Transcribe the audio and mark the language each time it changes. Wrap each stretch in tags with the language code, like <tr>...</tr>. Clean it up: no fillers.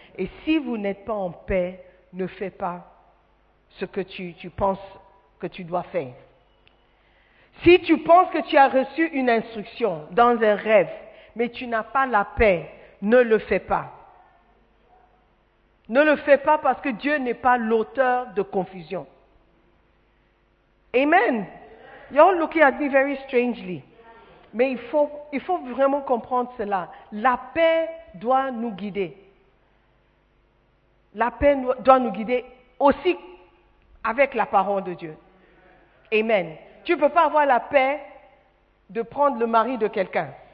<fr>Et si vous n'êtes pas en paix, ne fais pas ce que tu penses que tu dois faire. Si tu penses que tu as reçu une instruction dans un rêve, mais tu n'as pas la paix, ne le fais pas. Ne le fais pas parce que Dieu n'est pas l'auteur de confusion. Amen.</fr> <en>You're looking at me very strangely.</en> <fr>Mais il faut vraiment comprendre cela. La paix doit nous guider. La paix doit nous guider aussi avec la parole de Dieu. Amen. Tu ne peux pas avoir la paix de prendre le mari de quelqu'un.</fr>